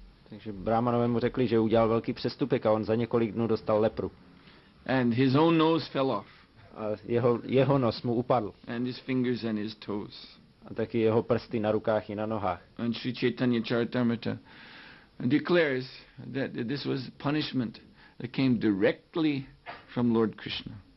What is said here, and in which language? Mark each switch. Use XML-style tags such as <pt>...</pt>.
<cs>Takže brahmanové mu řekli, že udělal velký přestupek a on za několik dnů dostal lepru.</cs> <en>And his own nose fell off.</en> <cs>A jeho nos mu upadl.</cs> <en>And his fingers and his toes.</en> <cs>A taky jeho prsty na rukách i na nohách.</cs> <en>And Sri Chaitanya Charitamrita declares that this was punishment that came directly from Lord Krishna.</en>